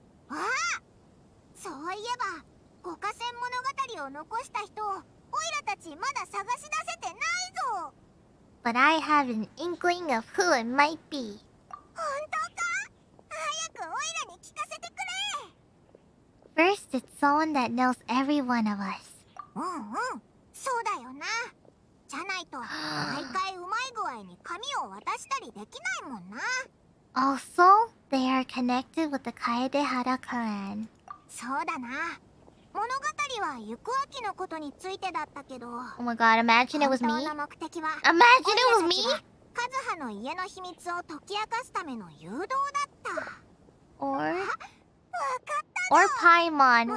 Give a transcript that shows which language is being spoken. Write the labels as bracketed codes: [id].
[ja] あそういえば五花仙物語を残した人をオイラたちまだ探し出せてないぞ。 [en] But I have an inkling of who it might be. [ja] 本当か？早くオイラに聞かせてくれ。 [en] First, it's someone that knows every one of us. [ja] うんうん、そうだよな。じゃないと毎回うまい具合に紙を渡したりできないもんな。 [en] Also, they are connected with the Kaede Hara clan. [ja] そうだな。物語は行く秋のことについてだったけど。 [en] Oh my god, imagine it was me. [ja] 本当の目的は、 [en] Imagine it was me! [ja] カズハの家の秘密を解き明かすための誘導だった。 [en] Or? [ja] わかったぞ。 [en] Or Paimon, wait.